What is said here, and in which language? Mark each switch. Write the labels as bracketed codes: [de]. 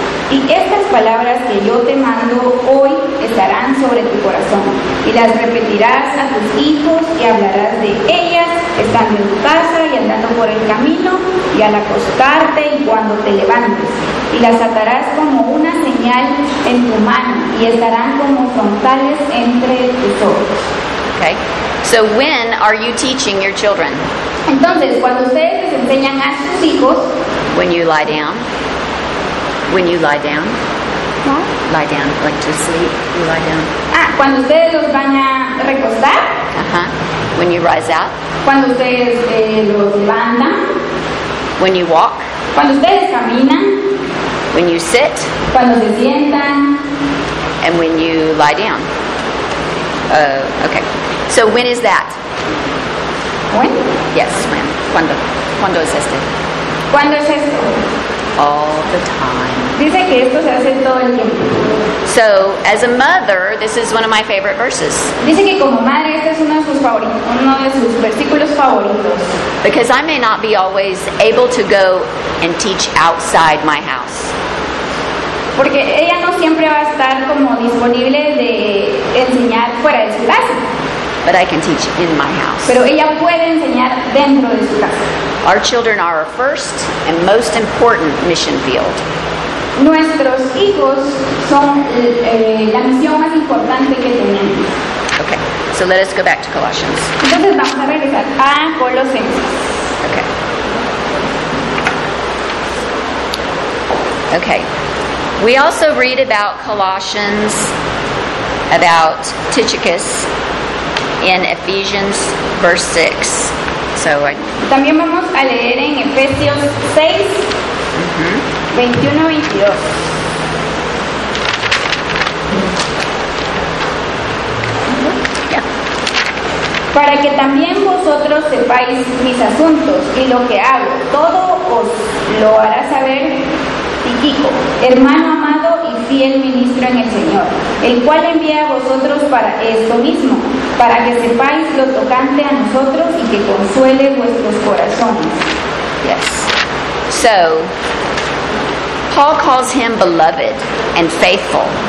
[es] Y estas palabras que yo te mando hoy estarán sobre tu corazón, y las repetirás a tus hijos y hablarás de ellas estando en tu casa y andando por el camino y al acostarte y cuando te levantes, y las atarás como una señal en tu mano y estarán como frontales entre tus ojos. [en] Okay. So when are you teaching your children? [es] Entonces, cuando ustedes les enseñan a sus hijos. [en] When you lie down. When you lie down. What? Lie down, like to sleep. You lie down. [es] Ah, cuando ustedes los van a recostar. [en] When you rise up. [es] Cuando ustedes los levantan. [en] When you walk. [es] Cuando ustedes caminan. [en] When you sit. [es] Cuando se sientan. [en] And when you lie down. Okay. So when is that? When? Yes, when. [es] Cuando. Cuando es este? Cuando es esto? [en] All the time. [es] Dice que esto se hace todo el tiempo. [en] So, as a mother, this is one of my favorite verses. [es] Dice que como madre, este es uno de sus versículos favoritos. [en] Because I may not be always able to go and teach outside my house. [es] Porque ella no siempre va a estar como disponible de enseñar fuera de su casa. [en] But I can teach in my house. [es] Pero ella puede enseñar dentro de su casa. [en] Our children are our first and most important mission field. [es] Nuestros hijos son la misión más importante que tenemos. [en] Okay, so let us go back to Colossians. [es] Entonces vamos a regresar a Colosenses. [en] Okay. Okay. We also read about Colossians, about Tychicus in Ephesians verse 6. So [es] también vamos a leer en Efesios 6, 21, 22. Para que también vosotros sepáis mis asuntos y lo que hago, todo os lo hará saber Tíquico, hermano amado y fiel ministro en el Señor, el cual envía a vosotros para esto mismo, para que sepáis lo tocante a nosotros y que consuele vuestros corazones. [en] Yes. So, Paul calls him beloved and faithful.